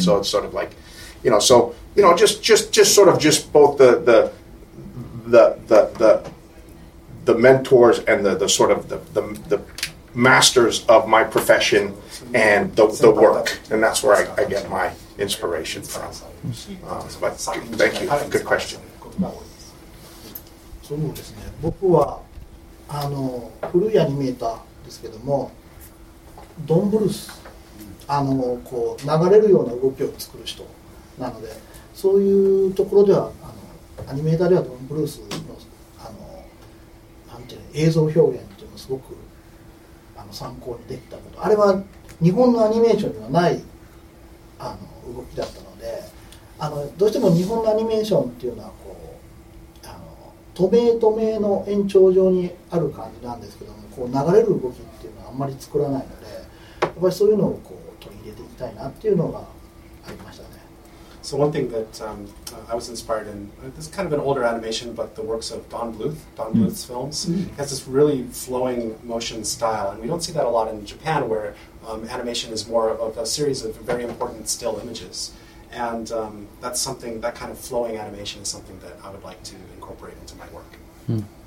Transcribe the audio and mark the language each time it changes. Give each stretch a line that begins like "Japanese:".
English: So it's sort of like, you know, so, you know, just sort of just both the mentors and the sort of the masters of my profession and the work, and that's where I get my inspiration from. But thank you. Good question. So, yes, I was old anime, but Don Bluth,
Japanese: なので、そういうところではアニメーターではドン・ブルース の, なんていうの映像表現というのをすごく参考にできたこと、あれは日本のアニメーションにはない動きだったので、どうしても日本のアニメーションっていうのはこう透明透明の延長上にある感じなんですけども、こう流れる動きっていうのはあんまり作らないので、やっぱりそういうのをこう取り入れていきたいなっていうのがありましたね。
English: So one thing that I was inspired in, this is kind of an older animation, but the works of Don Bluth's films. Mm-hmm. He has this really flowing motion style, and we don't see that a lot in Japan, where animation is more of a series of very important still images. And that's something, that kind of flowing animation is something that I would like to incorporate into my work.